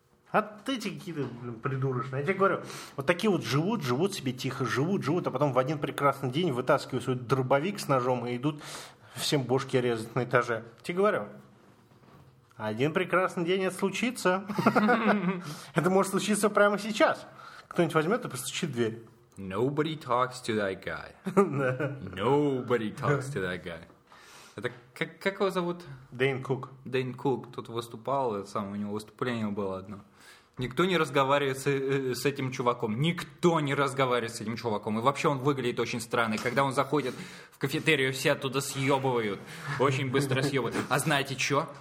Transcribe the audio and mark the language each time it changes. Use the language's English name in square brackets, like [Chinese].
[Russian] А ты эти какие-то придурочные. Я тебе говорю, вот такие вот живут себе тихо, живут, а потом в один прекрасный день вытаскивают свой дробовик с ножом и идут всем бошки резать на этаже. Тебе говорю, один прекрасный день это случится. Это может случиться прямо сейчас. Кто-нибудь возьмет и постучит в дверь. [English] Nobody talks to that guy. Nobody talks to that guy. [Russian] Это как его зовут? Дэйн Кук. Дэйн Кук. Тут выступал, у него выступление было одно. Никто не разговаривает с этим чуваком. Никто не разговаривает с этим чуваком. И вообще он выглядит очень странно. И когда он заходит в кафетерию, все оттуда съебывают. Очень быстро съебывают. А знаете что?